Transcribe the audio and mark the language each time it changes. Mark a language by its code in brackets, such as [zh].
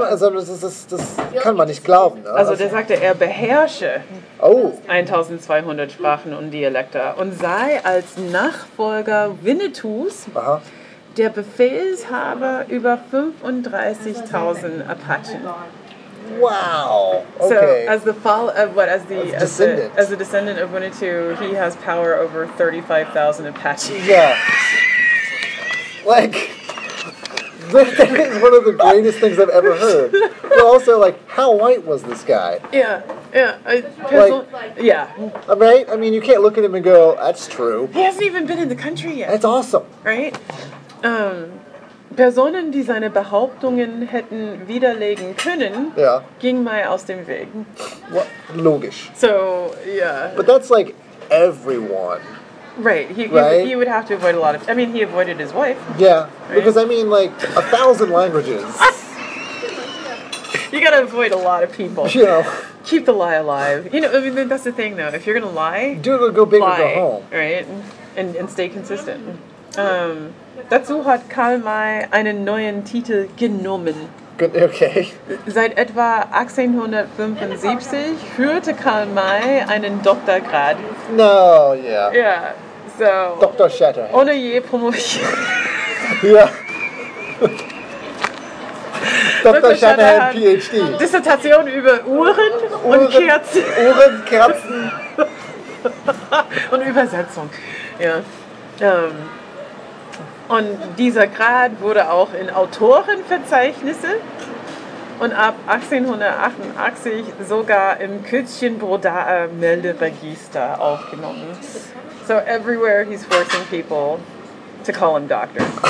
[de] Also das kann man nicht glauben. Ne? Also der sagte, er beherrsche 1200 Sprachen und Dialekte und sei als Nachfolger Winnetous der Befehlshaber über 35.000 Apachen. [en] Wow. Okay. So as the fall of what as the descendant of Winnetou, he has power over 35,000 Apache. Yeah. Like, that is one of the greatest things I've ever heard. But also, like, how white was this guy? Yeah. Right? I mean, you can't look at him and go, "That's true." He hasn't even been in the country yet. That's awesome. Right? [de] Personen, die seine Behauptungen hätten widerlegen können, ja, gingen mal aus dem Weg. [en] What? [de] Logisch. [en] So, yeah. But that's like everyone. Right. He would have to avoid a lot of... I mean, he avoided his wife. Yeah. Right? Because, I mean, like, 1,000 languages. You gotta avoid a lot of people. You know. Keep the lie alive. You know, I mean, that's the thing, though. If you're gonna lie... Do it or go big or go home. Right? And stay consistent. [de] Dazu hat Karl May einen neuen Titel genommen. [en] Okay. [de] Seit etwa 1875 führte Karl May einen Doktorgrad. [en] No, yeah. Yeah, so. Dr. Shatter. [de] Ohne je promoviert. Ja. Dr. Shatterhand, PhD. Dissertation über Uhren und Kerzen. Uhren, Kerzen. Und Übersetzung. Ja. Und dieser Grad wurde auch in Autorenverzeichnisse und ab 1888 sogar im Kützchenbrodaer Melderegister aufgenommen. [en] So everywhere he's forcing people to call him doctor.